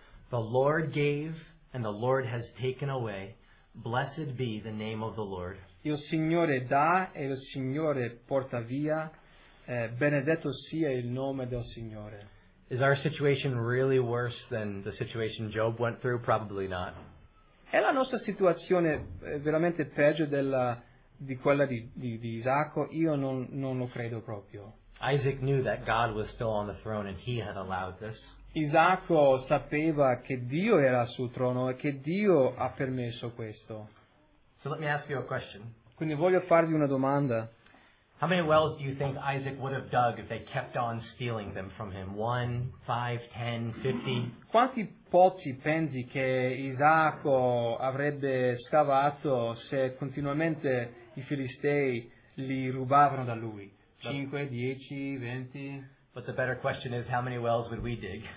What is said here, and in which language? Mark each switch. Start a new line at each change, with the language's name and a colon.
English: the Lord gave and the Lord has taken away, blessed be the name of the Lord.
Italian: Il Signore dà e il Signore porta via, benedetto sia il nome del Signore.
English: Is our situation really worse than the situation Job went through? Probably not.
Italian: È la nostra situazione veramente peggio di quella di Isacco? Io non lo credo proprio.
English: Isaac knew that God was still on the throne and he had allowed this.
Italian: Isacco sapeva che Dio era sul trono e che Dio ha permesso questo.
English: So let me ask you a question.
Italian: Quindi voglio farvi una domanda.
English: How many wells do you think Isaac would have dug if they kept on stealing them from him? 1, 5, 10, 50?
Italian: Quanti pozzi pensi che Isacco avrebbe scavato se continuamente i Filistei li rubavano da lui? 5, 10, 20?
English: But the better question is, how many wells would we dig?